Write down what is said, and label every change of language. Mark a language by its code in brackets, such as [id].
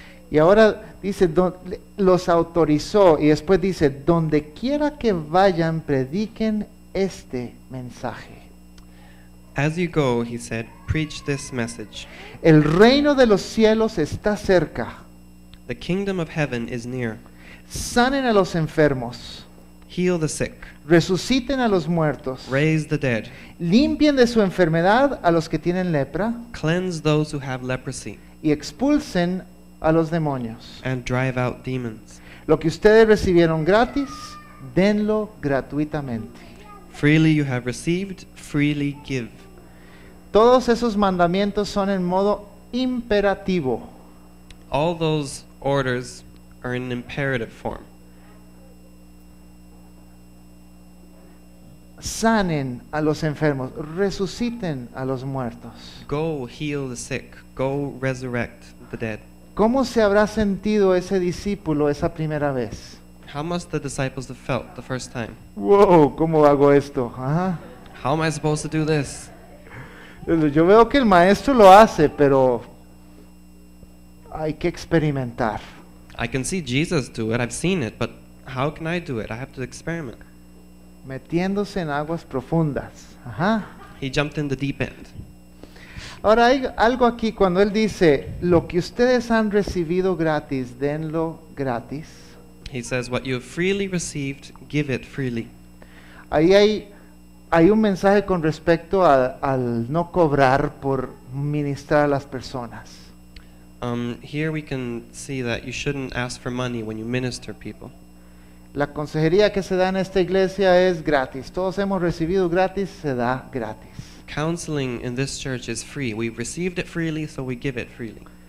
[es] Y ahora dice, los autorizó y después dice, donde quiera que vayan, prediquen este mensaje. [en] As you go, he said, preach this message. [es] El reino de los cielos está cerca. [en] The kingdom of heaven is near. [es] Sanen a los enfermos. [en] Heal the sick. [es] Resuciten a los muertos. [en] Raise the dead. [es] Limpien de su enfermedad a los que tienen lepra. [en] Cleanse those who have leprosy. [es] Y expulsen a los demonios. [en] And drive out demons. [es] Lo que ustedes recibieron gratis, denlo gratuitamente. [en] Freely you have received, freely give. [es] Todos esos mandamientos son en modo imperativo. [en] All those orders are in imperative form. [es] Sanen a los enfermos, resuciten a los muertos. [en] Go heal the sick, go resurrect the dead. [es] ¿Cómo se habrá sentido ese discípulo esa primera vez? [en] How must the disciples have felt the first time? [es] Whoa, ¿cómo hago esto? Uh-huh. [en] How am I supposed to do this? [es] Yo veo que el maestro lo hace, pero hay que experimentar. [en] I can see Jesus do it, I've seen it, but how can I do it? I have to experiment. [es] Metiéndose en aguas profundas. Uh-huh. [en] He jumped in the deep end. [es] Ahora hay algo aquí cuando él dice, lo que ustedes han recibido gratis, denlo gratis. [en] He says, what you have freely received, give it freely. [es] Ahí hay un mensaje con respecto al no cobrar por ministrar a las personas. [en] Here we can see that you shouldn't ask for money when you minister people. [es] La consejería que se da en esta iglesia es gratis. Todos hemos recibido gratis, se da gratis. [en] Counseling in this church is free. We've received it freely, so we give it freely.